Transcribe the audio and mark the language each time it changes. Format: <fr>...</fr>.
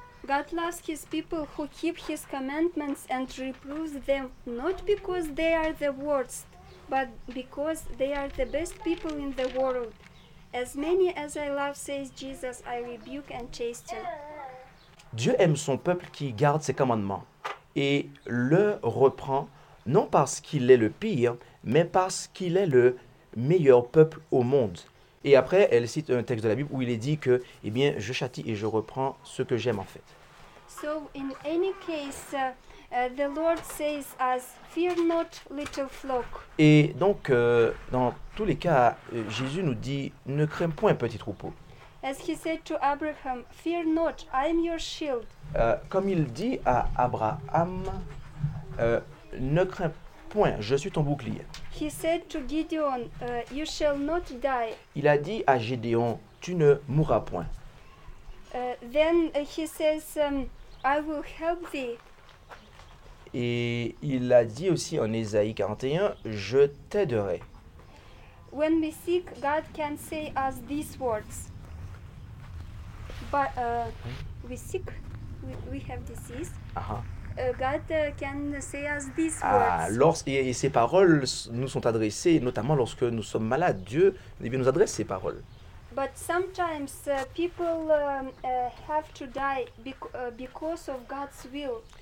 <en>God loves his people who keep his commandments and reproves them, not because they are the worst, but because they are the best people in the world. As many as I love, says Jesus, I rebuke and chasten.</en> <fr>Dieu aime son peuple qui garde ses commandements et le reprend, non parce qu'il est le pire, mais parce qu'il est le meilleur peuple au monde. Et après, elle cite un texte de la Bible où il est dit que, eh bien, je châtie et je reprends ce que j'aime en fait.</fr> <en>So, in any case, the Lord says us, fear not, little flock.</en> <fr>Et donc, dans tous les cas, Jésus nous dit, ne crains point, petit troupeau.</fr> <en>As he said to Abraham, fear not, I am your shield.</en> <fr>Comme il dit à Abraham, ne crains point, je suis ton bouclier.</fr> <en>He said to Gideon, you shall not die.</en> <fr>Il a dit à Gédéon, tu ne mourras point.</fr> <en>Then he says, I will help thee.</en> <fr>Et il a dit aussi en Ésaïe 41, je t'aiderai.</fr> <en>When we seek, God can say us these words. But we seek, we have disease. God can say us these words.</en> <fr>Et ces paroles nous sont adressées, notamment lorsque nous sommes malades. Dieu eh bien, nous adresse ces paroles.</fr> <en>But sometimes people have to die because of God's will.</en>